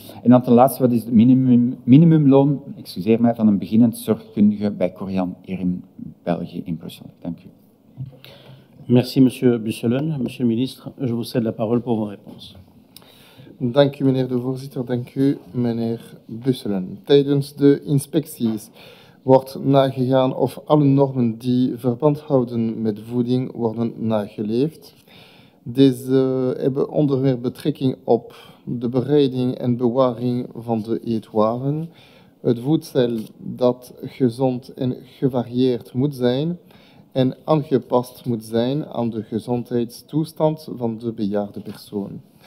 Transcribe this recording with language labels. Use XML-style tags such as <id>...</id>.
<nl>En dan ten laatste, wat is het minimumloon, excuseer mij, van een beginnend zorgkundige bij Korian hier in België, in Brussel. Dank u.</nl> <fr>Merci, monsieur Busselen. Monsieur le ministre, je vous cède la parole pour vos réponses.</fr> <nl>Dank u, meneer de voorzitter. Dank u, meneer Busselen. Tijdens de inspecties wordt nagegaan of alle normen die verband houden met voeding worden nageleefd. Deze hebben onder meer betrekking op de bereiding en bewaring van de eetwaren, het voedsel dat gezond en gevarieerd moet zijn en aangepast moet zijn aan de gezondheidstoestand van de bejaarde persoon.</nl>